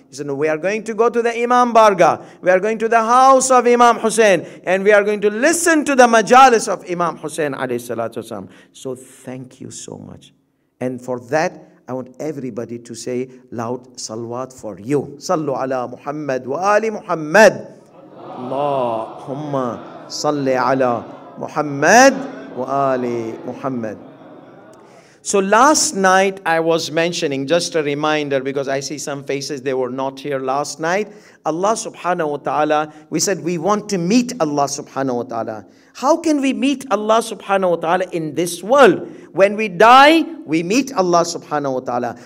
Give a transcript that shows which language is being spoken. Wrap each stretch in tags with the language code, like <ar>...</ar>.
<en>He said, no, we are going to go to the Imam Barga, we are going to the house of Imam Husayn, and we are going to listen to the majalis of Imam Husayn alayhi salatu wasalam. So thank you so much. And for that, I want everybody to say loud salwat for you.</en> <ar>Sallu ala Muhammad wa ali Muhammad. اللهم صل على محمد وآل محمد.</ar> <en>So last night I was mentioning, just a reminder, because I see some faces, they were not here last night. Allah subhanahu wa ta'ala, we said we want to meet Allah subhanahu wa ta'ala. How can we meet Allah subhanahu wa ta'ala in this world? When we die, we meet Allah subhanahu wa ta'ala.</en>